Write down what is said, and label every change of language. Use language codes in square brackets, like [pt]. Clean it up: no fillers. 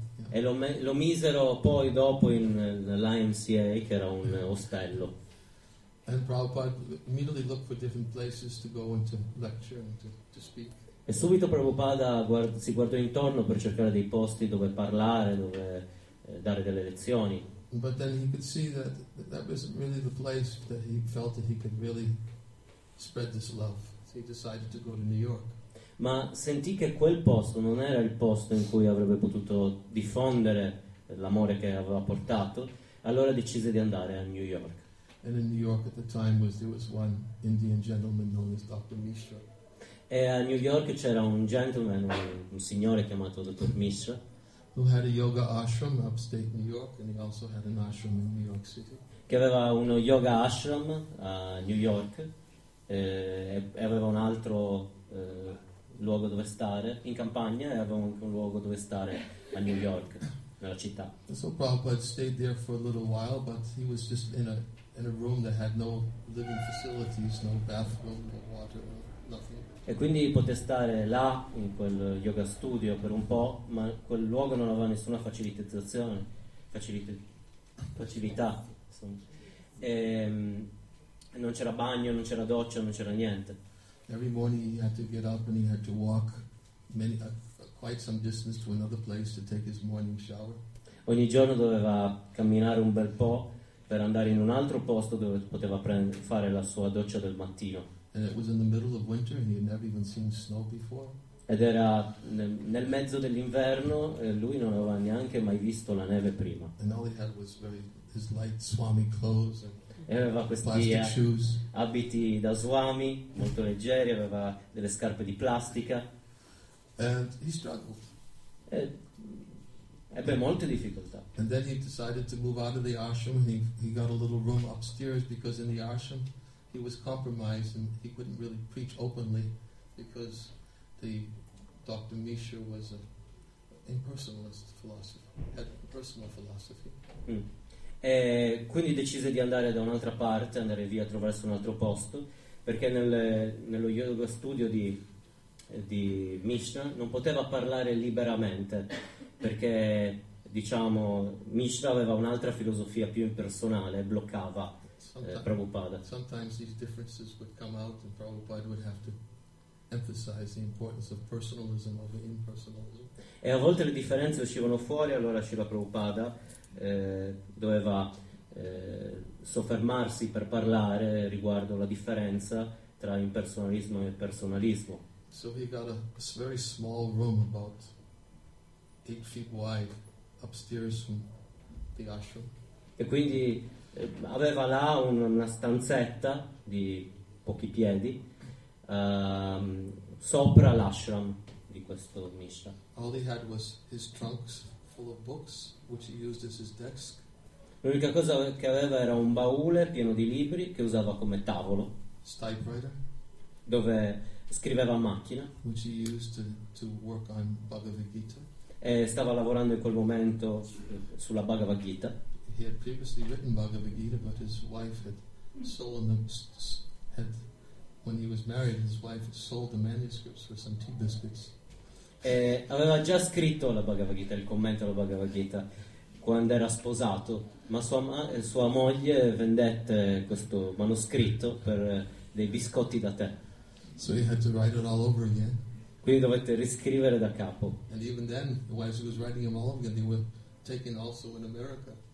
[it] E lo misero poi dopo in l'IMCA, che era un ostello. [en] And Prabhupada immediately looked for different places to go and to lecture and to speak. [it] E subito Prabhupada si guardò intorno per cercare dei posti dove parlare, dove dare delle lezioni. [en] But then he could see that wasn't really the place that he felt that he could really spread this love. So he decided to go to New York. [it] Ma sentì che quel posto non era il posto in cui avrebbe potuto diffondere l'amore che aveva portato, allora decise di andare a New York. [en] And in New York at the time there was one Indian gentleman known as Dr. Mishra. [it] E a New York c'era un gentleman, un signore chiamato Dr. Mishra, [en] who had a yoga ashram upstate New York, and he also had an ashram in New York City. [it] Che aveva uno yoga ashram a New York e aveva un altro luogo dove stare in campagna, e avevo anche un luogo dove stare a New York, nella città. [en] So Prabhupada stayed there for a little while, but he was just in a room that had no living facilities, no bathroom, no water, nothing. [it] E quindi poté stare là in quel yoga studio per un po', ma quel luogo non aveva nessuna facilità. Non c'era bagno, non c'era doccia, non c'era niente. [en] Every morning he had to get up and he had to walk many, quite some distance to another place to take his morning shower. [it] Ogni giorno doveva camminare un bel po' per andare in un altro posto dove poteva fare la sua doccia del mattino. [en] And it was in the middle of winter and he had never even seen snow before. Ed era nel mezzo dell'inverno e lui non aveva neanche mai visto la neve prima. [it] E aveva questi abiti da swami molto leggeri, aveva delle scarpe di plastica. [en] And he struggled. [it] E ebbe molte difficoltà. [en] And then he decided to move out of the ashram and he got a little room upstairs because in the ashram he was compromised and he couldn't really preach openly because the Dr. Misha was an impersonalist philosopher, had a personal philosophy. Mm. [it] E quindi decise di andare da un'altra parte, andare via attraverso un altro posto, perché nello yoga studio di Mishra non poteva parlare liberamente, perché diciamo Mishra aveva un'altra filosofia più impersonale, bloccava Prabhupada. [en] Sometimes these differences would come out and Prabhupada would have to emphasize the importance of personalism over impersonalism. [it] E a volte le differenze uscivano fuori, allora Srila Prabhupada doveva soffermarsi per parlare riguardo la differenza tra impersonalismo e personalismo. [en] So he got a very small room about 8 feet wide upstairs from the ashram. [it] E quindi aveva là una stanzetta di pochi piedi sopra l'ashram di questo Mishra. [en] All he had was his trunks full of books which he used as his desk. [it] L'unica cosa che aveva era un baule pieno di libri che usava come tavolo. [en] Typewriter. [it] Dove scriveva a macchina. [en] Which he used to work on Bhagavad Gita. [it] E stava lavorando in quel momento sulla Bhagavad Gita. [en] He had previously written Bhagavad Gita, but his wife had sold them. When he was married, his wife had sold the manuscripts for some tea biscuits. [it] E aveva già scritto la Bhagavad Gita, il commento alla Bhagavad Gita, quando era sposato, ma sua moglie vendette questo manoscritto per dei biscotti da tè. [en] So he had to write it all over again. [it] Quindi dovette riscrivere da capo. [en] And even then, while he was writing them all over again, they were taken also in America.